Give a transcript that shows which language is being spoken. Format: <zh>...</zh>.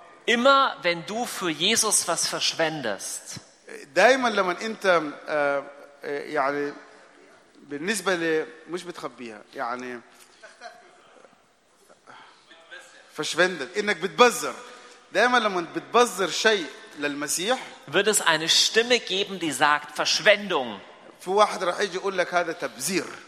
<de>Immer wenn du für Jesus was verschwendest.</de> <ar>دائما لما انت يعني بالنسبه ل مش بتخبيها يعني</ar> <de>verschwendet</de> <ar>انك بتبذر دائما لما بتبذر شيء للمسيح</ar> <de>wird es eine Stimme geben die sagt Verschwendung.</de> <ar>في واحد راح يجي يقول لك هذا تبذير.</ar>